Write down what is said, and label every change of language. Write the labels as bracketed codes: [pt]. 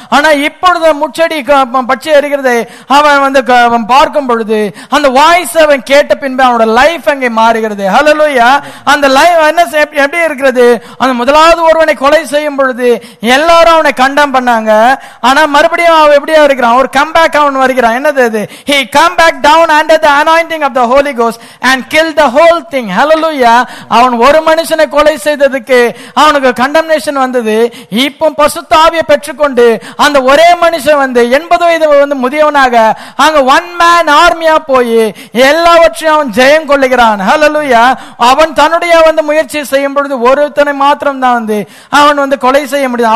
[ta] ஆனா இப்பொழுது முச்சடி பற்றி எரிகிறதை அவன் வந்து பார்க்கும் பொழுது அந்த வாய்ஸ் அவன் கேட்ட பின்பு அவனோட லைஃப் அங்கே மாறுகிறது. ஹல்லேலூயா. அந்த லைஃப் என்ன எப்படி இருக்கிறது. அந்த முதலாவது ஒருவனை கொலை செய்யும் பொழுது எல்லாரும் அவனை கண்டம் பண்ணாங்க. ஆனா மறுபடியும் அவன் எப்படி இருக்கிறான். ஒரு கம்பேக் அவன் வருகிறான். என்னது அது. [en] He come back down under the anointing of the Holy Ghost and kill the whole thing. Hallelujah. [ta] அவன் ஒரு மனுஷனை கொலை செய்ததுக்கு அவனுக்கு கண்டம்னேஷன் வந்தது. இப்போ பரிசுத்த ஆவியை பெற்றுக்கொண்டு அந்த ஒரே மனுஷன் வந்து 80 வயது வந்து முதியவனாக அங்க ஒன் மேன் ஆர்மியா போய் எல்லாவற்றையும் அவன் ஜெயம் கொள்ளுகிறான். Hallelujah. அவன் தன்னுடைய வந்து முயற்சி செய்யும் பொழுது ஒருத்தனை மாத்திரம் தான் வந்து அவன் வந்து கொலை செய்ய முடியும்.